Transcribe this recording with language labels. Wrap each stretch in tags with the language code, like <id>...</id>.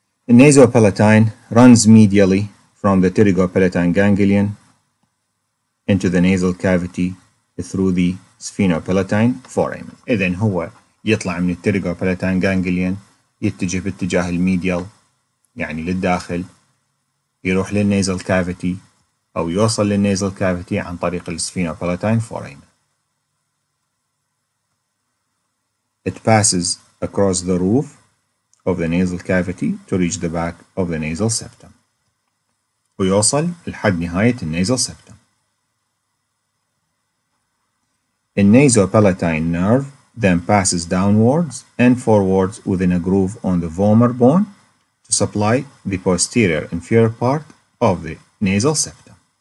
<en>Nasopalatine runs medially from the pterygopalatine ganglion into the nasal cavity through the sphenopalatine foramen.</en> <ar>إذن هو يطلع من الترجوبالاتين جانجليون يتجه باتجاه الميديال يعني للداخل يروح للنيزل كافيتي أو يوصل للنيزل كافيتي عن طريق السفينوبالاتين فوريمن.</ar> <en>It passes across the roof of the nasal cavity to reach the back of the nasal septum.</en> <ar>ويوصل لحد نهاية النيزل سبتم.</ar> <en>النيزوبالاتين nerve then passes downwards and forwards within a groove on the vomer bone to supply the posterior inferior part of the nasal septum.</en>